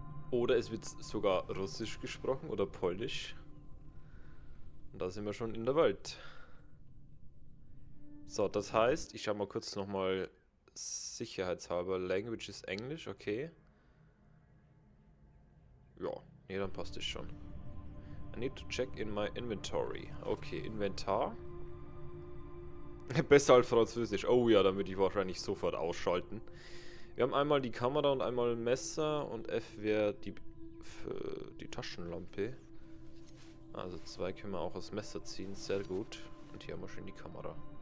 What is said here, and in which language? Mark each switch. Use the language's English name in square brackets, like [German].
[German] Oder es wird sogar Russisch gesprochen oder Polnisch. Und da sind wir schon in der Welt. So, das heißt, ich schau mal kurz nochmal sicherheitshalber. Language ist Englisch, okay. Ja, nee, dann passt es schon. [English] I need to check in my inventory. [German] Okay, Inventar. Besser als Französisch. Oh ja, dann würde ich wahrscheinlich sofort ausschalten. Wir haben einmal die Kamera und einmal ein Messer. Und F wäre die Taschenlampe. Also zwei können wir auch als Messer ziehen. Sehr gut. Und hier haben wir schon die Kamera.